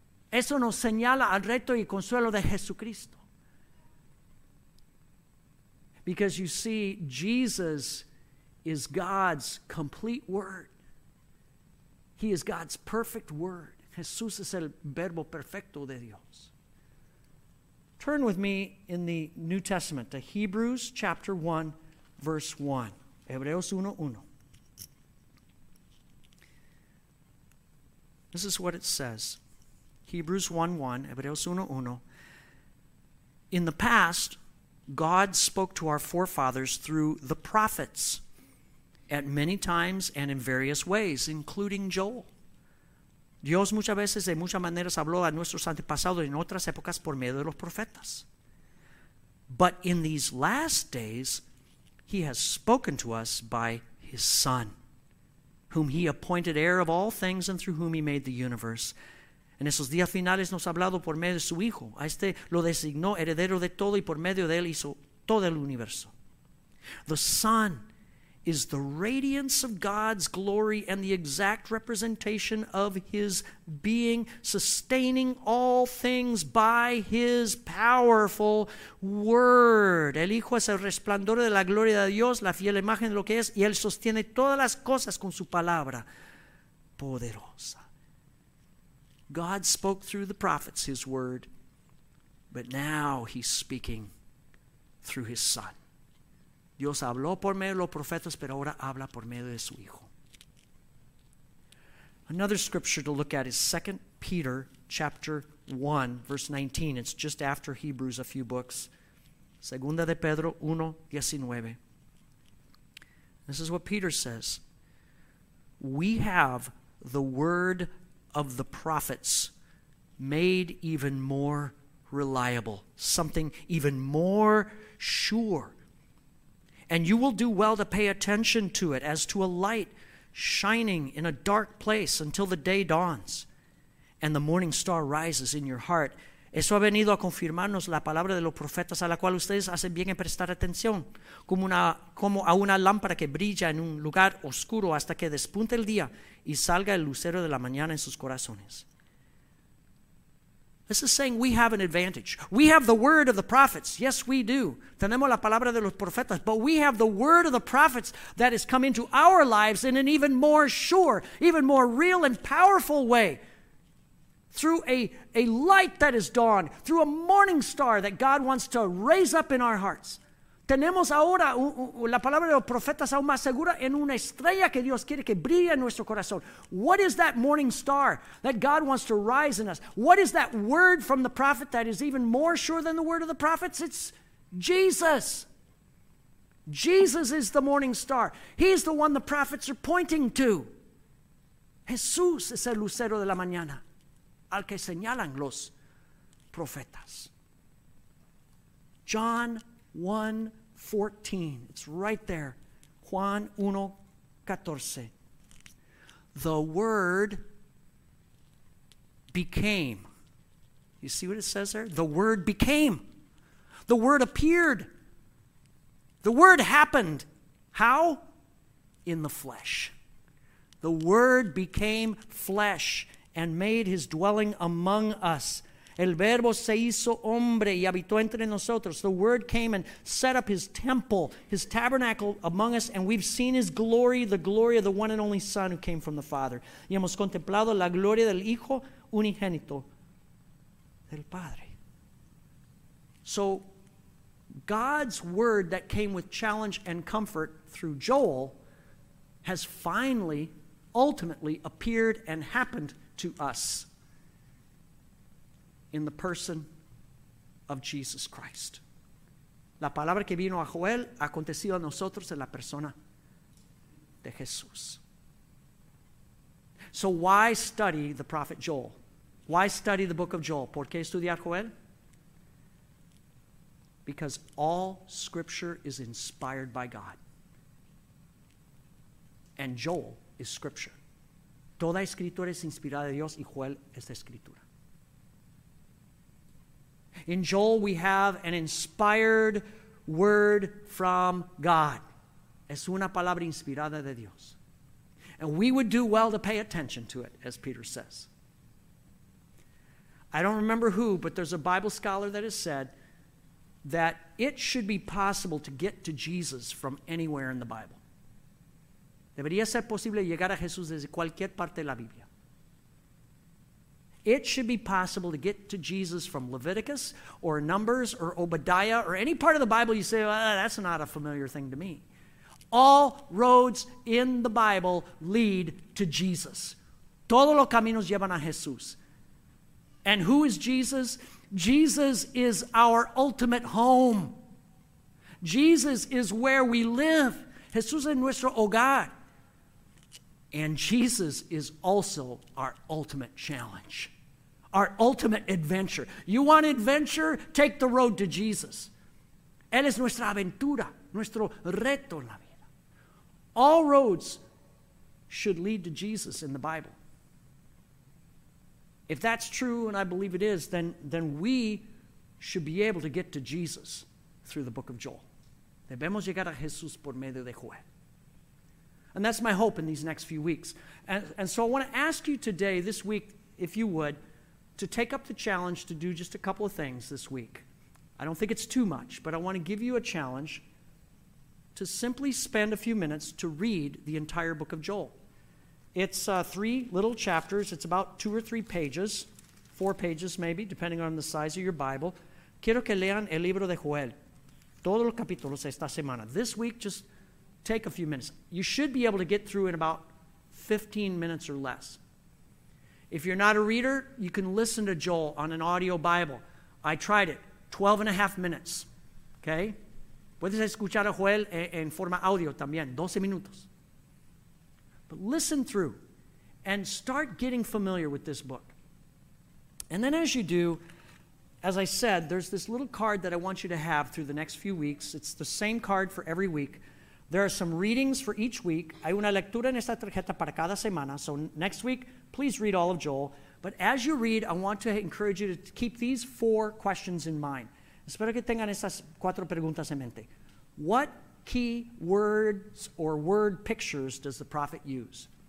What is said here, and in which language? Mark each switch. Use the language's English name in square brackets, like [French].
[Spanish] Eso nos señala al reto y consuelo de Jesucristo. [English] Because you see, Jesus is God's complete word. He is God's perfect word. [Spanish] Jesús es el verbo perfecto de Dios. [English] Turn with me in the New Testament to Hebrews chapter 1, verse 1. [Spanish] Hebreos 1:1. [English] This is what it says. Hebrews 1:1. [Spanish] Hebreos 1:1. [English] In the past, God spoke to our forefathers through the prophets at many times and in various ways, including Joel. [Spanish] Dios muchas veces de muchas maneras habló a nuestros antepasados en otras épocas por medio de los profetas. [English] But in these last days, he has spoken to us by his Son, whom he appointed heir of all things and through whom he made the universe. [Spanish] En esos días finales nos ha hablado por medio de su Hijo. A este lo designó heredero de todo y por medio de él hizo todo el universo. [English] The Son is the radiance of God's glory and the exact representation of his being, sustaining all things by his powerful word. [Spanish] El Hijo es el resplandor de la gloria de Dios, la fiel imagen de lo que es, y él sostiene todas las cosas con su palabra poderosa. [English] God spoke through the prophets, his word, but now he's speaking through his Son. [Spanish] Dios habló por medio de los profetas, pero ahora habla por medio de su Hijo. [English] Another scripture to look at is 2 Peter chapter 1, verse 19. It's just after Hebrews, a few books. [Spanish] Segunda de Pedro 1, 19. [English] This is what Peter says. We have the word of the prophets made even more reliable, something even more sure. And you will do well to pay attention to it as to a light shining in a dark place until the day dawns and the morning star rises in your heart. [Spanish] Eso ha venido a confirmarnos la palabra de los profetas a la cual ustedes hacen bien en prestar atención, como a una lámpara que brilla en un lugar oscuro hasta que despunte el día y salga el lucero de la mañana en sus corazones. [English] This is saying we have an advantage. We have the word of the prophets. Yes, we do. [Spanish] Tenemos la palabra de los profetas, [English] but we have the word of the prophets that has come into our lives in an even more sure, even more real and powerful way. Through a light that is dawned, through a morning star that God wants to raise up in our hearts. [Spanish] Tenemos ahora la palabra de los profetas aún más segura en una estrella que Dios quiere que brille en nuestro corazón. [English] What is that morning star that God wants to rise in us? What is that word from the prophet that is even more sure than the word of the prophets? It's Jesus. Jesus is the morning star. He's the one the prophets are pointing to. [Spanish] Jesús es el lucero de la mañana. Al que señalan los profetas. [English] John 1:14. It's right there. [Spanish] Juan 1:14. [English] The word became. You see what it says there? The word became. The word appeared. The word happened. How? In the flesh. The word became flesh and made his dwelling among us. [Spanish] El verbo se hizo hombre y habitó entre nosotros. [English] The word came and set up his temple, his tabernacle among us, and we've seen his glory, the glory of the one and only Son who came from the Father. [Spanish] Y hemos contemplado la gloria del Hijo unigénito del Padre. [English] So, God's word that came with challenge and comfort through Joel has finally, ultimately appeared and happened to us in the person of Jesus Christ. [Spanish] La palabra que vino a Joel ha acontecido a nosotros en la persona de Jesús. [English] So why study the prophet Joel? Why study the book of Joel? [Spanish] ¿Por qué estudiar Joel? [English] Because all scripture is inspired by God. And Joel is scripture. [Spanish] Toda escritura es inspirada de Dios y Joel es de escritura. [English] In Joel we have an inspired word from God. [Spanish] Es una palabra inspirada de Dios. [English] And we would do well to pay attention to it, as Peter says. I don't remember who, but there's a Bible scholar that has said that it should be possible to get to Jesus from anywhere in the Bible. [Spanish] Debería ser posible llegar a Jesús desde cualquier parte de la Biblia. [English] It should be possible to get to Jesus from Leviticus or Numbers or Obadiah or any part of the Bible you say, well, that's not a familiar thing to me. All roads in the Bible lead to Jesus. [Spanish] Todos los caminos llevan a Jesús. [English] And who is Jesus? Jesus is our ultimate home. Jesus is where we live. [Spanish] Jesús es nuestro hogar. [English] And Jesus is also our ultimate challenge, our ultimate adventure. You want adventure? Take the road to Jesus. [Spanish] Él es nuestra aventura, nuestro reto en la vida. [English] All roads should lead to Jesus in the Bible. If that's true, and I believe it is, then we should be able to get to Jesus through the book of Joel. [Spanish] Debemos llegar a Jesús por medio de Joel. [English] And that's my hope in these next few weeks. And so I want to ask you today, this week, if you would, to take up the challenge to do just a couple of things this week. I don't think it's too much, but I want to give you a challenge to simply spend a few minutes to read the entire book of Joel. It's three little chapters. It's about two or three pages, four pages maybe, depending on the size of your Bible. [Spanish] Quiero que lean el libro de Joel, todos los capítulos esta semana. [English] This week, just take a few minutes. You should be able to get through in about 15 minutes or less. If you're not a reader, you can listen to Joel on an audio Bible. I tried it, 12 and a half minutes, okay? [Spanish] Puedes escuchar a Joel en forma audio también, 12 minutos. [English] But listen through and start getting familiar with this book. And then as you do, as I said, there's this little card that I want you to have through the next few weeks. It's the same card for every week. There are some readings for each week. [Spanish] Hay una lectura en esta tarjeta para cada semana. [English] So next week, please read all of Joel. But as you read, I want to encourage you to keep these four questions in mind. [Spanish] Espero que tengan estas cuatro preguntas en mente. [English] What key words or word pictures does the prophet use?